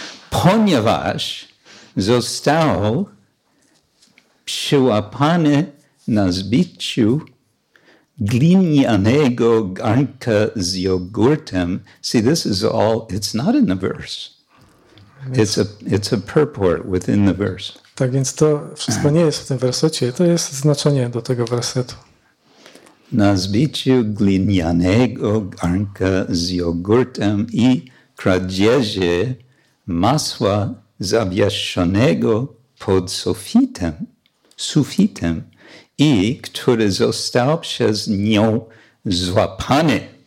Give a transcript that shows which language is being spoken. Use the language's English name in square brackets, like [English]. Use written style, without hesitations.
[Polish] Ponieważ został przyłapany na zbiciu glinianego garnka z jogurtem. [English] See, this is all, it's not in the verse. It's a purport within the verse. [Polish] Tak więc to wszystko nie jest w tym wersecie, to jest znaczenie do tego wersetu. Na zbiciu glinianego garnka z jogurtem I kradzieży masła zawieszonego pod sufitem I który został przez nią złapany.